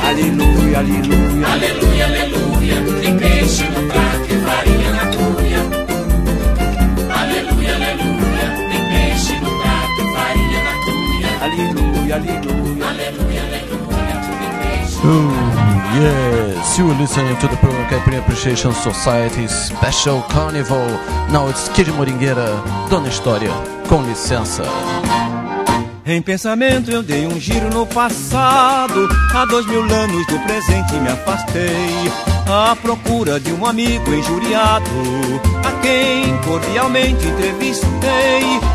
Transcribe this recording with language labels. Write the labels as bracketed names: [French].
[Portuguese] Aleluia, aleluia, aleluia, aleluia, tem peixe no prato e farinha na cuia. Aleluia, aleluia, tem peixe no prato e farinha na cuia. Aleluia, aleluia, aleluia, aleluia, tem peixe no prato. [English] Yes, you are listening to the Program Caipirinha Appreciation Society Special Carnival. Now it's Kid Moringueira, Dona História, com licença. [Portuguese] Em pensamento eu dei um giro no passado, há 2000 anos do presente me afastei, à procura de um amigo injuriado, a quem cordialmente entrevistei.